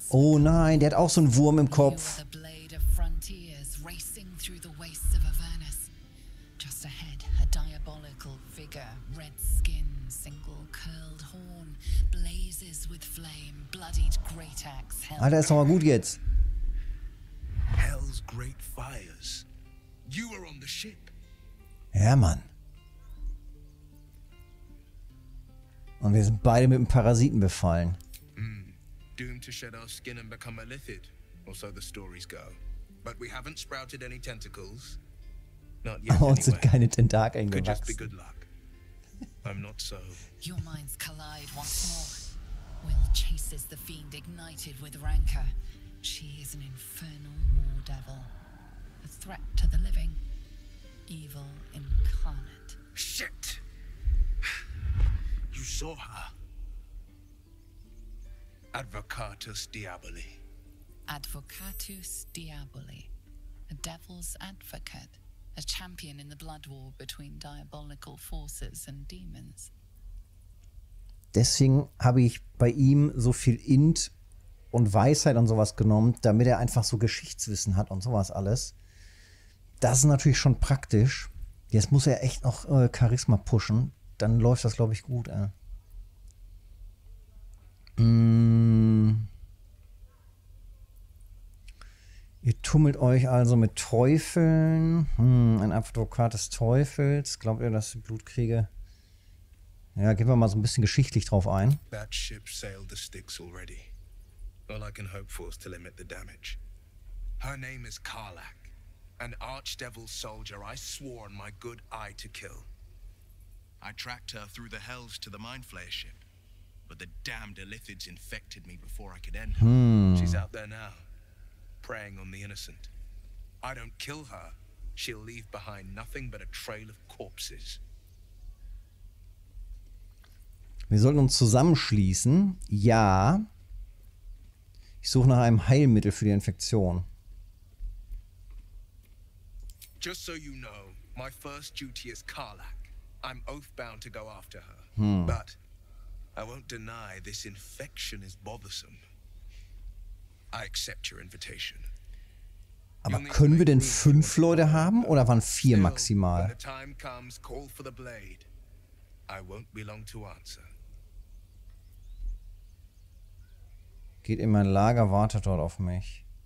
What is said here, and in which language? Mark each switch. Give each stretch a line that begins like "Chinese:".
German: Oh nein, der hat auch so einen Wurm im Kopf.
English: The blade of frontiers racing through the wastes of Avernus. Just ahead, a diabolical figure, red skin, single curled horn, blazes with flame, bloodied great axe.
German: Alter, ist doch mal gut jetzt.
English: Hell's great fires. You are on the ship.
German: Ja, Mann. Und wir sind beide mit einem Parasiten befallen.
English: Doomed to shed our skin and become a lithid, or so the stories go. But we haven't sprouted any tentacles. Not yet.
German: Uns sind keine Tentakeln gewachsen.
English: Could just be good luck. I'm not so. Your minds collide once more. Will chases the fiend ignited with rancor. She is an infernal war devil. A threat to the living. Evil incarnate. Shit! You saw her.
Latin: Advocatus Diaboli. Advocatus Diaboli.
English: A devil's advocate. A champion in the blood war between diabolical forces and demons.
German: Deswegen habe ich bei ihm so viel Int und Weisheit und sowas genommen, damit er einfach so Geschichtswissen hat und sowas alles. Das ist natürlich schon praktisch. Jetzt muss er echt noch Charisma pushen. Dann läuft das, glaube ich, gut. Ihr tummelt euch also mit Teufeln. Ein Advokat des Teufels. Glaubt ihr, dass ich Blut kriege? Ja, gehen wir mal so ein bisschen geschichtlich drauf ein.
English: That ship sailed the Styx already. All I can hope for is to limit the damage. Her name is Karlach. An archdevil soldier I swore on my good eye to kill. I tracked her through the hells to the Mindflayer ship, but the damned Illithids infected me before I could end her. She's out there now, preying on the innocent. I don't kill her, she'll leave behind nothing but a trail of corpses.
German: Wir sollten uns zusammenschließen. Ja. Ich suche nach einem Heilmittel für die Infektion.
English: Just so you know, my first duty is Karlach. I'm oath-bound to go after her, but I won't deny this infection is bothersome. I accept your invitation.
German: Aber können wir denn 5 Leute haben oder waren 4 maximal?
English: When the time comes, call for the blade. I won't be long to answer.
German: Geht in mein Lager, wartet dort auf mich.